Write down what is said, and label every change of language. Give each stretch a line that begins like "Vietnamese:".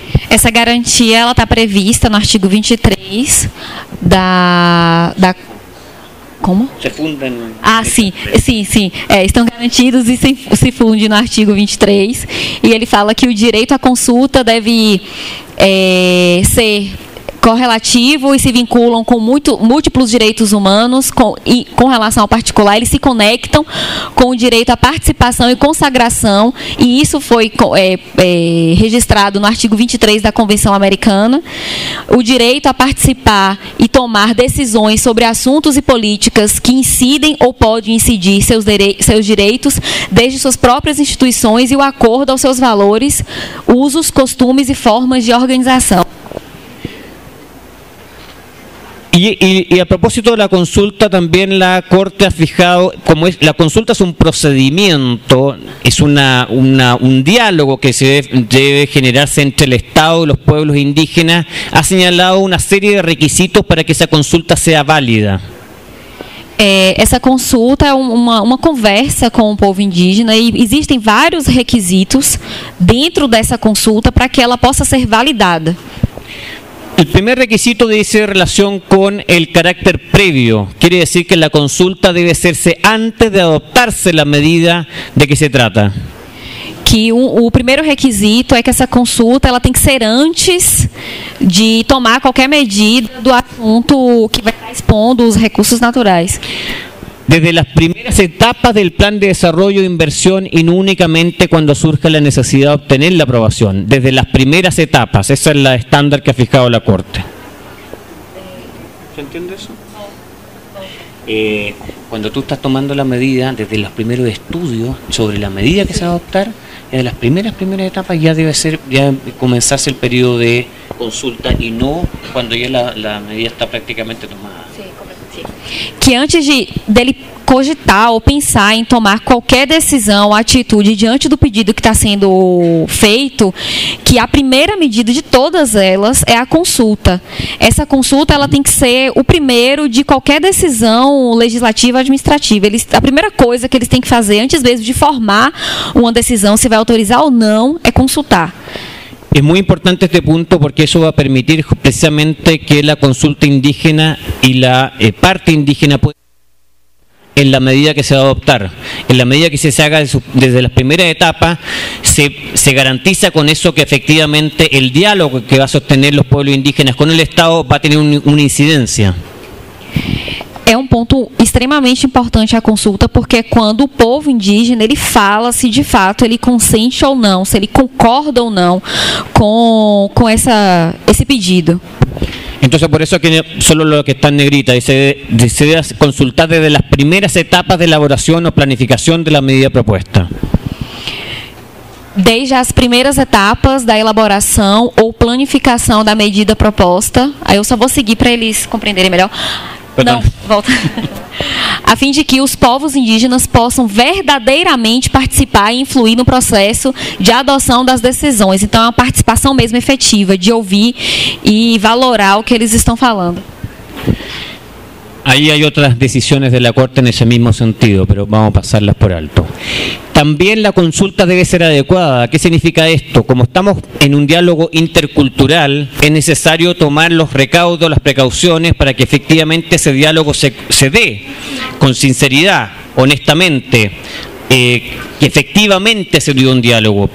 Portuguese: Essa garantía ela está prevista
Spanish: en el artículo 23
Portuguese: da Como? Se fundem. Sim. Estão garantidos e se funde no artigo 23. E ele fala que o direito à consulta deve ser correlativo e se vinculam com múltiplos direitos humanos com relação ao particular, eles se conectam com o direito à participação e consagração, e isso foi registrado no artigo 23 da Convenção Americana. O direito a participar e tomar decisões sobre assuntos e políticas que incidem ou podem incidir seus direitos desde suas próprias instituições e o acordo aos seus valores, usos, costumes e formas de organização.
Spanish: Y a propósito de la consulta, también la Corte ha fijado, como es, la consulta es un procedimiento, es un diálogo que se debe generarse entre el Estado y los pueblos indígenas, ha señalado una serie de requisitos para que esa consulta sea válida.
Portuguese: Essa consulta é uma conversa com o povo indígena e existem vários requisitos dentro dessa consulta para que ela possa ser validada.
Spanish: El primer requisito dice relación con el carácter previo, quiere decir que la consulta debe hacerse antes de adoptarse la medida de que se trata.
Portuguese: Que o primeiro requisito é que essa consulta ela tem que ser antes de tomar qualquer medida do assunto que vai estar expondo os recursos naturais.
Spanish: Desde las primeras etapas del plan de desarrollo e inversión y no únicamente cuando surja la necesidad de obtener la aprobación. Desde las primeras etapas, esa es la estándar que ha fijado la Corte. ¿Se entiende eso? Cuando tú estás tomando la medida, desde los primeros estudios sobre la medida que se va a adoptar, desde las primeras etapas ya debe ser, ya comenzarse el periodo de consulta y no cuando ya la medida está prácticamente tomada.
Portuguese: Que antes dele cogitar ou pensar em tomar qualquer decisão, atitude diante do pedido que está sendo feito, que a primeira medida de todas elas é a consulta. Essa consulta ela tem que ser o primeiro de qualquer decisão legislativa, administrativa. A primeira coisa que eles têm que fazer antes mesmo de formar uma decisão, se vai autorizar ou não, é consultar.
Spanish: Es muy importante este punto porque eso va a permitir precisamente que la consulta indígena y la parte indígena pueda, en la medida que se va a adoptar, en la medida que se haga desde las primeras etapas, se garantiza con eso que efectivamente el diálogo que va a sostener los pueblos indígenas con el Estado va a tener una incidencia.
Portuguese: É um ponto extremamente importante a consulta, porque é quando o povo indígena ele fala se de fato ele consente ou não, se ele concorda ou não com esse pedido. Então, por isso que só o que está em negrita, se deve consultar desde as primeiras etapas de elaboração ou planificação da medida proposta. Desde as primeiras etapas da elaboração ou planificação da medida proposta, aí eu só vou seguir para eles compreenderem melhor. Perdão. Não, volta. A fim de que os povos indígenas possam verdadeiramente participar e influir no processo de adoção das decisões. Então, é uma participação mesmo efetiva de ouvir e valorar o que eles estão falando. Aí há outras decisões da Corte nesse mesmo sentido, mas vamos passá-las por alto.
Spanish: También la consulta debe ser adecuada. ¿Qué significa esto? Como estamos en un diálogo intercultural, es necesario tomar los recaudos, las precauciones para que efectivamente ese diálogo se dé con sinceridad, honestamente, que efectivamente se dio un diálogo.